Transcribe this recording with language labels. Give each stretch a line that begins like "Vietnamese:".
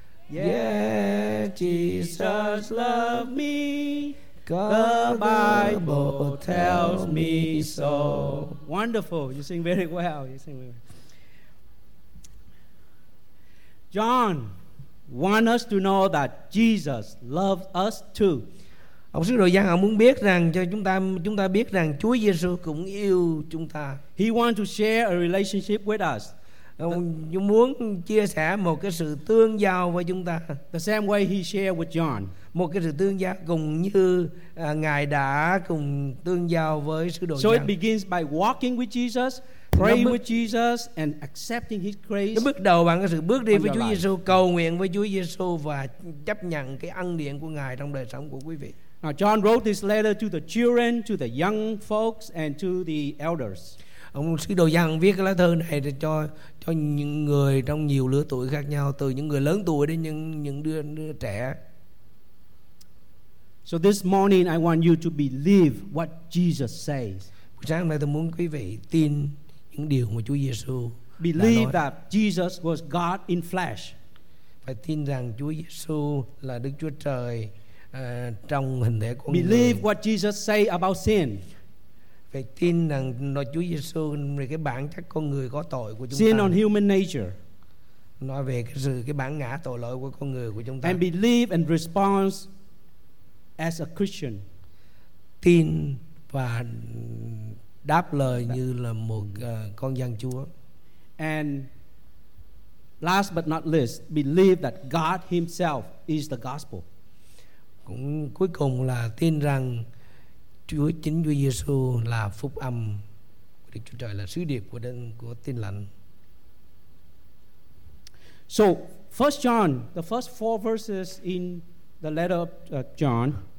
English: Yes, Jesus loves me. The Bible tells me so. Wonderful. You sing very well. You sing very well. John wants us to know that Jesus loves us too.
Vietnamese: Ông sứ đồ Giăng muốn biết rằng cho chúng ta biết rằng Chúa Giêsu cũng yêu chúng ta.
English: He wants to share a relationship with us.
Vietnamese: Ông muốn chia sẻ một cái sự tương giao với chúng ta.
English: The same way he shared with John.
Vietnamese: Một cái sự tương giao cùng như ngài đã cùng tương giao với sứ đồ Giăng.
English: So it begins by walking with Jesus, praying with Jesus, and accepting His grace.
Vietnamese: Nó bắt đầu bằng cái sự bước đi với Chúa Giêsu, cầu nguyện với Chúa Giêsu và chấp nhận cái ân điển của ngài trong đời sống của quý vị.
English: Now John wrote this letter to the children, to the young folks, and to the elders.
Vietnamese: Ông sứ đồ Giăng viết cái lá thư này cho những người trong nhiều lứa tuổi khác nhau, từ những người lớn tuổi đến những đứa trẻ.
English: So this morning I want you to believe what Jesus says.
Vietnamese: Sáng hôm nay tôi muốn quý vị tin những điều mà Chúa Giêsu đã
English: nói. Believe that Jesus was God in flesh.
Vietnamese: Phải tin rằng Chúa Giêsu là Đức Chúa Trời trong hình thể con người.
English: Believe what Jesus say about sin.
Vietnamese: Phải tin rằng nói Chúa Giêsu về cái bản chất con người có tội của chúng
English: sin Sin on human nature.
Vietnamese: Nói về cái bản ngã tội lỗi của con người của chúng ta.
English: And believe and respond as a Christian.
Vietnamese: Tin và đáp lời như là một con dân Chúa.
English: And last but not least, believe that God himself is the gospel.
Vietnamese: Cũng cuối cùng là tin rằng Chúa chính Chúa Giêsu là phúc âm của Đức Chúa Trời, là sứ điệp của Tin Lành.
English: So, 1 John, the first four verses in the letter of John.